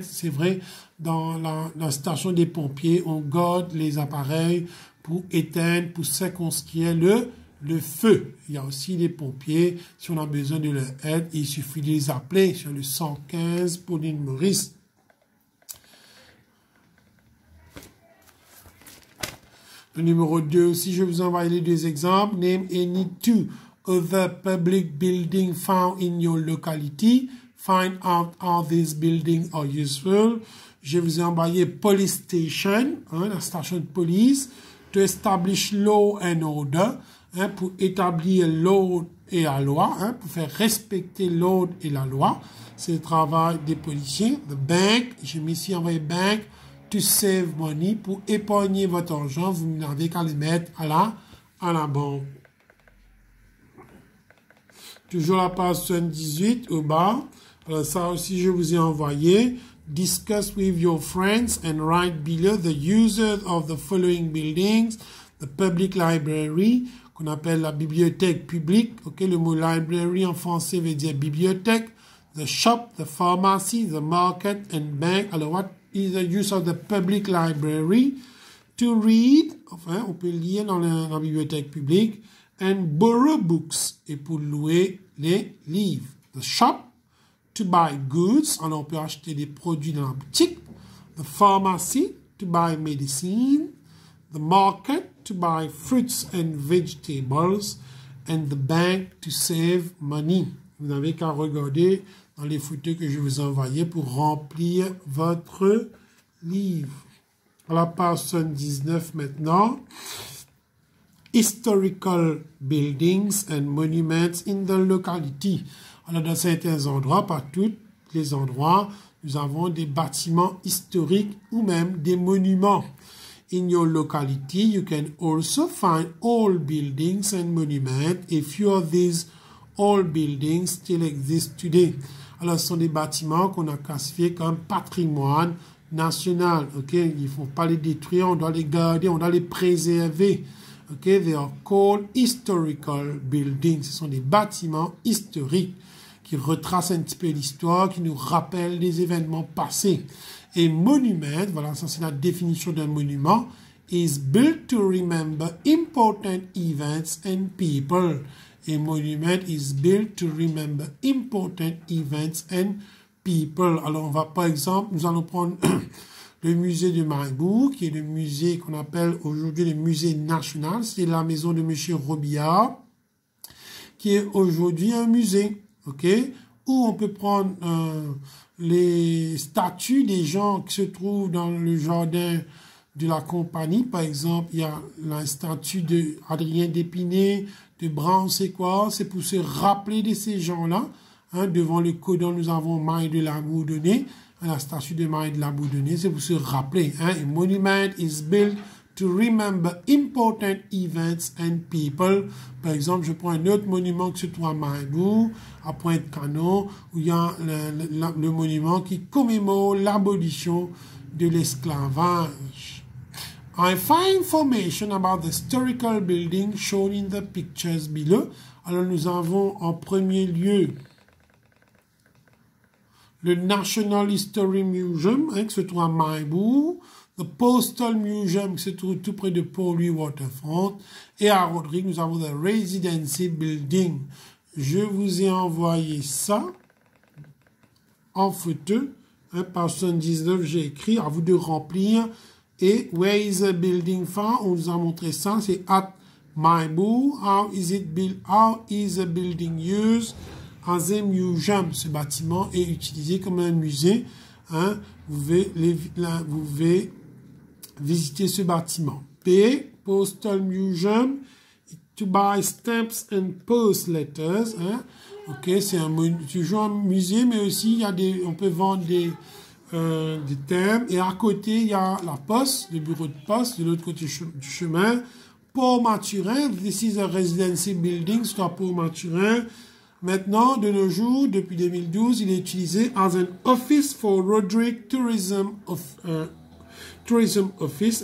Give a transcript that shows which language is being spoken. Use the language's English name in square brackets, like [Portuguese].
[French] C'est vrai, dans la station des pompiers, on garde les appareils pour éteindre, pour circonscrire le feu. Il y a aussi des pompiers, si on a besoin de leur aide, il suffit de les appeler sur le 115 Pauline Maurice. Le numéro 2 aussi, je vous envoie les deux exemples. [English] Name any two. Other public building found in your locality. Find out how these buildings are useful. [French] Je vous ai envoyé police station, hein, la station de police, [English] to establish law and order, [French] hein, pour établir l'ordre et la loi, hein, pour faire respecter l'ordre et la loi. C'est le travail des policiers. The bank, je me suis envoyé bank [English] to save money, [French] pour épargner votre argent, vous n'avez qu'à le mettre à la banque. Toujours la page 78 au bas. Alors ça aussi, je vous ai envoyé. [English] Discuss with your friends and write below the users of the following buildings. The public library, [French] qu'on appelle la bibliothèque publique. Okay, le mot library en français veut dire bibliothèque. [English] The shop, the pharmacy, the market and bank. Alors, what is the use of the public library? To read, [French] enfin, on peut lire dans la bibliothèque publique. [English] And borrow books, [French] et pour louer les livres. [English] The shop, to buy goods, [French] alors on peut acheter des produits dans la boutique. [English] The pharmacy, to buy medicine. The market, to buy fruits and vegetables. And the bank, to save money. [French] Vous n'avez qu'à regarder dans les photos que je vous ai envoyées pour remplir votre livre. À la page 19 maintenant. [English] Historical buildings and monuments in the locality. [French] Alors, dans certains endroits, pas tous les endroits, nous avons des bâtiments historiques ou même des monuments. [English] In your locality, you can also find old buildings and monuments. A few of these old buildings still exist today. [French] Alors, ce sont des bâtiments qu'on a classifiés comme patrimoine national. Okay? Il ne faut pas les détruire, on doit les garder, on doit les préserver. [English] Okay, they are called historical buildings. [French] Ce sont des bâtiments historiques qui retracent un petit peu l'histoire, qui nous rappellent des événements passés. Et monument, voilà, ça c'est la définition d'un monument, [English] is built to remember important events and people. A monument is built to remember important events and people. [French] Alors, on va, par exemple, nous allons prendre... Le musée de Marigot, qui est le musée qu'on appelle aujourd'hui le musée national, c'est la maison de M. Robillard, qui est aujourd'hui un musée, ok? Où on peut prendre les statues des gens qui se trouvent dans le jardin de la compagnie. Par exemple, il y a la statue d'Adrien Dépinay, de Brown, c'est quoi? C'est pour se rappeler de ces gens-là. Hein, devant le codon, nous avons Maille de la Bourdonnée. La statue de Marie de la Bourdonnée, c'est pour se rappeler. Hein? [English] A monument is built to remember important events and people. [French] Par exemple, je prends un autre monument qui se trouve à Marigot, à Pointe-Canon, où il y a le monument qui commémore l'abolition de l'esclavage. [English] I find information about the historical building shown in the pictures below. [French] Alors, nous avons en premier lieu... Le National History Museum, hein, qui se trouve à Marigot. The Postal Museum, qui se trouve tout près de Port-Louis Waterfront. Et à Rodrigue, nous avons The Residency Building. Je vous ai envoyé ça en photo. Hein, page 79, j'ai écrit, à vous de remplir. Et [English] Where is the building found? [French] On vous a montré ça, c'est at Marigot. [English] How is it built? How is the building used? As a museum, [French] ce bâtiment est utilisé comme un musée. Hein? Vous pouvez visiter ce bâtiment. [English] P, Postal Museum, to buy stamps and post letters. Hein? [French] Ok, c'est toujours un musée, mais aussi on peut vendre des thèmes. Et à côté, il y a la poste, le bureau de poste, de l'autre côté du chemin. [English] Port Mathurin, this is a residency building, soit Port Mathurin. [French] Maintenant, de nos jours, depuis 2012, il est utilisé [English] as an office for Rodrigue Tourism Office.